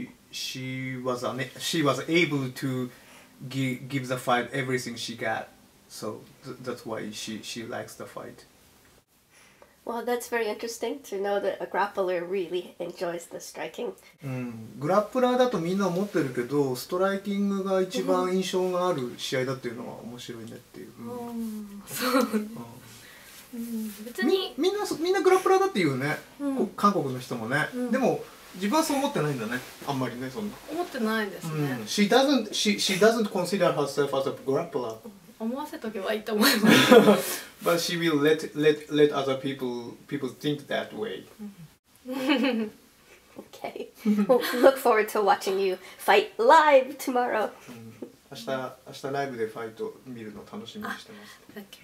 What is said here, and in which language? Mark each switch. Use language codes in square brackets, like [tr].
[en] She was able to give the fight everything she got, so that's why she likes the fight. Well, that's very interesting to know that a grappler really enjoys the striking. [ja] グラップラーだとみんな思ってるけど、ストライキングが一番印象がある試合だっていうのは面白いねっていう。そう。別に。みんなグラップラーだって言うね。韓国の人もね。でも、自分はそう思ってないんだね。あんまりね、そんな。思ってないですね。 [en] She doesn't consider herself as a grappler. [ja] 思わせとけばいいと思います。 [en] But she will let other people think that way. Okay. Well, look forward to watching you fight live tomorrow. [ja] 明日ライブでファイト見るの楽しみにしてます。